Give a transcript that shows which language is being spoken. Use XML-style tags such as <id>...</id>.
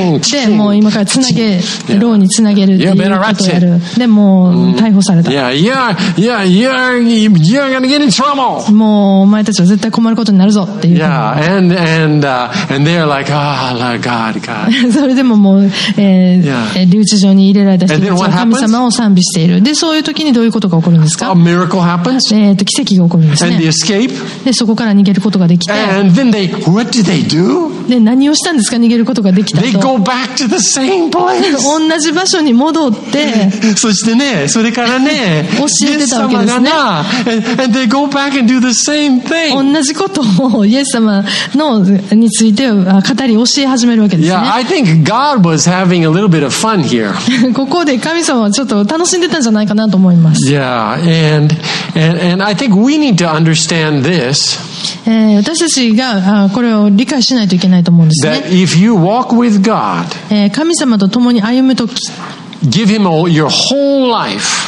<ja>で、もう今からつなげ、牢につなげるっていうことをやる。で、もう逮捕された。</ja> <en>You're gonna get in trouble.</en> <ja>もうお前たちは絶対困ることになるぞっていう。</ja> <en>Yeah, and they're like, ah, my God.</en> <ja>それでももう、留置場に入れられた人たちは神様を賛美している。でそういう時にどういうことが起こるんですか。</ja> <en>A miracle happens.</en> <ja>奇跡が起こるんですね。</ja> <en>And they escape.</en> <ja>でそこから逃げることができて、</ja> <en>And then they, what did they do?</en> <ja>で何をしたんですか、逃げることができたと。</ja> <en>They go back to the same place.</en> <ja>同じ場所に戻ってそしてね、それからね教えてたわけですね。</ja> <en>and they go back and do the same thing.</en> <ja>同じことをイエス様のについて語り教え始めるわけです。</ja> <en>Yeah, I think God was having a little bit of fun here.</en> <ja>ここで神様はちょっと楽しんでたんじゃないかなと思います。</ja> <en>Yeah, and I think we need to understand this.</en> <ja>私たちがこれを理解しないといけないと思うんですね。</ja> <en>That if you walk with God,</en> <ja>神様と共に歩むとき、</ja> <en>give Him all your whole life.</en>